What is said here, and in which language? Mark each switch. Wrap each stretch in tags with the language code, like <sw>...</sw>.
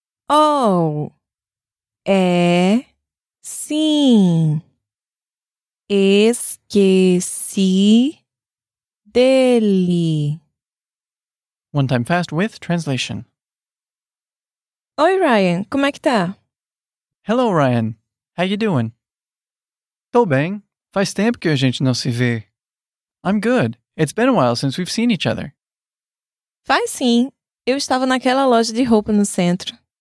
<pt>Oh, é. Sim, esqueci dele.</pt> <en>One time fast with translation.</en> <pt>Oi, Ryan, como é que tá?</pt> <en>Hello, Ryan, how you doing?</en> <pt>Tô bem, faz tempo que a gente não se vê.</pt> <en>I'm good, it's been a while since we've seen each other.</en> <pt>Faz sim, eu estava naquela loja de roupa no centro.</pt>